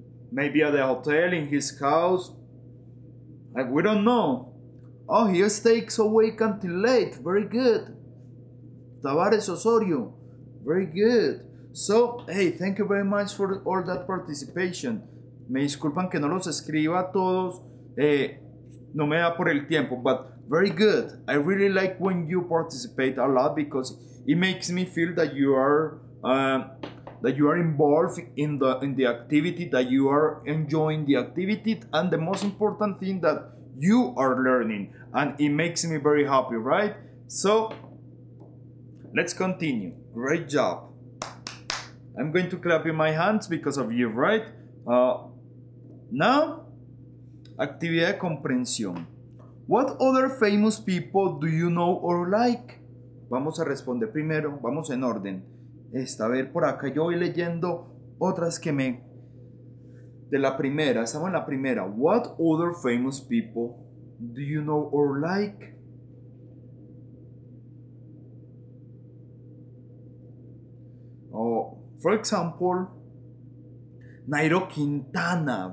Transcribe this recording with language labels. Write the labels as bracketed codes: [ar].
[en] Maybe at the hotel, in his house. Like, we don't know. Oh, he stays awake until late. Very good. Tavares Osorio. Very good. So, hey, thank you very much for all that participation. [es] Me disculpan que no los escriba a todos. No me da por el tiempo, [en] but very good. I really like when you participate a lot because it makes me feel that you are... that you are involved in the activity, that you are enjoying the activity, and the most important thing, that you are learning, and it makes me very happy, right? So, let's continue. Great job. I'm going to clap in my hands because of you, right? Now, [es] actividad de comprensión. [en] What other famous people do you know or like? [es] Vamos a responder primero, vamos en orden. Esta, a ver, por acá yo voy leyendo otras que me... De la primera, estamos en la primera. [en] What other famous people do you know or like? Oh, for example, Nairo Quintana.